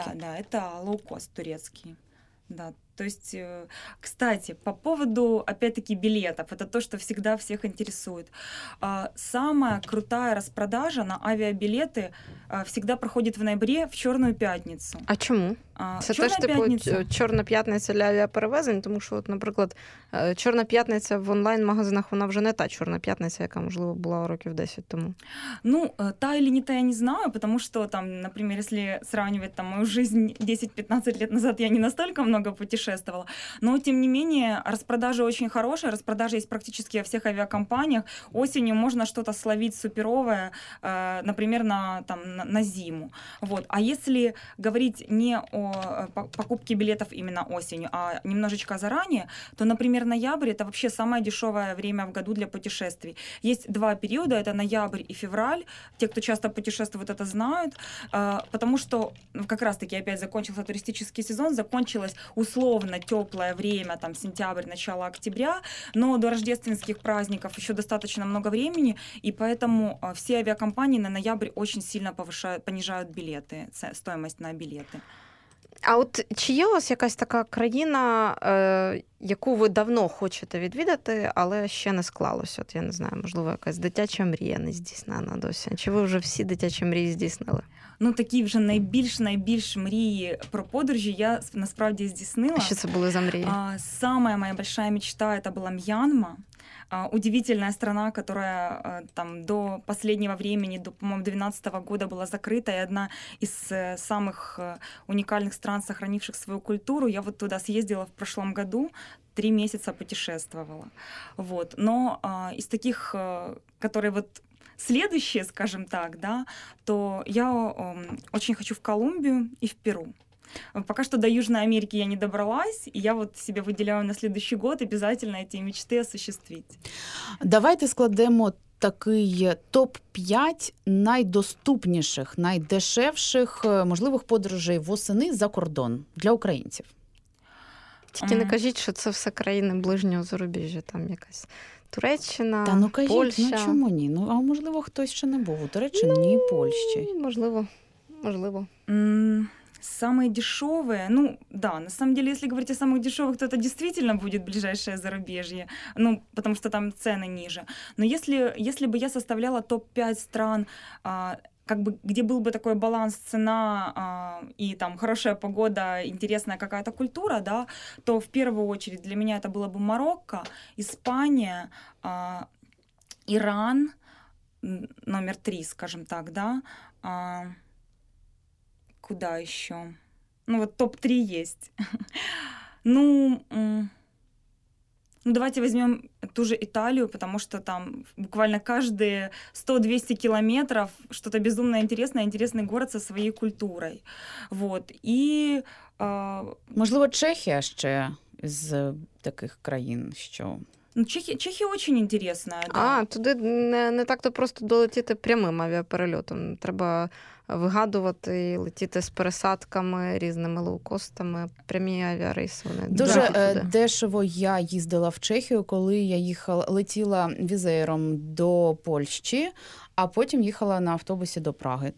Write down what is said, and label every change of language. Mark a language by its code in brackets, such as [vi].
[ru] Да, да, это low-cost турецкий. Да. То есть, кстати, по поводу, опять-таки, билетов, это то, что всегда всех интересует. Самая крутая распродажа на авиабилеты всегда проходит в ноябре [uk] в Чорну п'ятницю. А чому? Це Чорна теж п'ятниця. Типу Чорна п'ятниця для авіаперевезень, тому що, от, наприклад, Чорна п'ятниця в онлайн-магазинах, вона вже не та Чорна п'ятниця, яка, можливо, була років 10 тому. [ru] Ну, та или не та, я не знаю, потому что, там, например, если сравнивать там, мою жизнь 10-15 лет назад, я не настолько много путешествовала, путешествовала. Но, тем не менее, распродажи очень хорошие. Распродажи есть практически во всех авиакомпаниях. Осенью можно что-то словить суперовое, например, на зиму. Вот. А если говорить не о покупке билетов именно осенью, а немножечко заранее, то, например, ноябрь — это вообще самое дешевое время в году для путешествий. Есть два периода, это ноябрь и февраль. Те, кто часто путешествует, это знают. Потому что как раз-таки опять закончился туристический сезон, закончилось условно теплое время, там сентябрь, начало октября, но до рождественских праздников еще достаточно много времени, и поэтому все авиакомпании на ноябрь очень сильно понижают билеты, стоимость на билеты. [uk] А от чи є у вас якась така країна, яку ви давно хочете відвідати, але ще не склалось? От я не знаю, можливо, якась дитяча мрія не здійснена досі. Чи ви вже всі дитячі мрії здійснили? Ну, такі вже найбільш мрії про подорожі я насправді здійснила. А що це були за мрії? [ru] Самая моя большая мечта — это была М'янма. Удивительная страна, которая там до последнего времени, до, по-моему, 2012 года была закрыта, и одна из самых уникальных стран, сохранивших свою культуру. Я вот туда съездила в прошлом году, 3 месяца путешествовала. Вот. Но из таких, которые вот следующие, скажем так, да, то я очень хочу в Колумбию и в Перу. Пока что до Южной Америки я не добралась, и я вот себе выделяю на следующий год обязательно эти мечты осуществить. [uk] Давайте складемо такий топ-5 найдоступніших, найдешевших можливих подорожей восени за кордон для українців. Тільки не кажіть, що це все країни ближнього зарубіжжя, там якась Туреччина, Польща. Ну чому ні? Ну, а можливо, хтось ще не був у Туреччині, ні, Польщі. Можливо. [ru] Самые дешевые, ну да, на самом деле, если говорить о самых дешевых, то это действительно будет ближайшее зарубежье, ну, потому что там цены ниже. Но если бы я составляла топ-5 стран, как бы, где был бы такой баланс цена и там хорошая погода, интересная какая-то культура, да, то в первую очередь для меня это было бы Марокко, Испания, Иран, номер 3, скажем так, да, куда еще? Ну вот топ-3 есть. Ну, давайте возьмем ту же Италию, потому что там буквально каждые 100-200 километров что-то безумно интересное, интересный город со своей культурой. Вот. И... [uk] Можливо, [ru] Чехия еще из таких країн, что... Ну, Чехія очень интересна. Да. [uk] А, туди не так-то просто долетіти прямим авіаперельотом. Треба вигадувати і летіти з пересадками, різними лоукостами. Прямі авіарейси вони. Дуже дешево я їздила в Чехію, коли я летіла візеєром до Польщі, а потім їхала на автобусі до Праги.